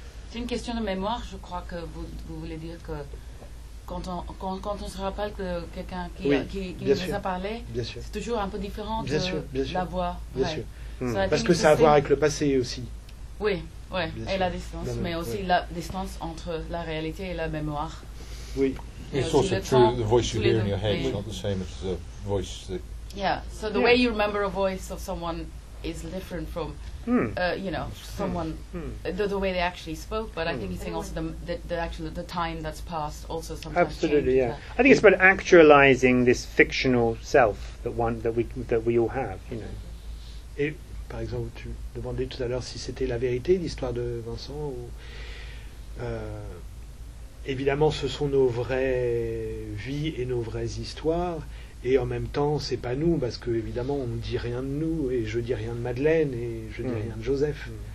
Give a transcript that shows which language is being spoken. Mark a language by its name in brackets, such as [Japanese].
[French] C'est une question de mémoire, je crois que vous voulez dire que. Quand on se rappelle que quelqu'un qui nous a parlé, c'est toujours un peu différent de la voix. Bien sûr. Parce que ça a à voir avec le passé aussi. Oui, oui. Et la distance, mais aussi la distance entre la réalité et la mémoire. Oui. [English] It's also true. The voice you hear in your head is not the same as the voice. So the way you remember a voice of someone is different from, you know, someone, the way they actually spoke, but I think he's saying also the time that's passed also sometimes. Absolutely, changes that. I think it's about actualizing this fictional self that we all have, you know. [French] Et par exemple, tu demandais tout à l'heure si c'était la vérité l'histoire de Vincent. Ou, évidemment, ce sont nos vraies vies et nos vraies histoires, Et en même temps, c'est pas nous, parce que évidemment, on ne dit rien de nous, et je dis rien de Madeleine, et je dis rien de Joseph.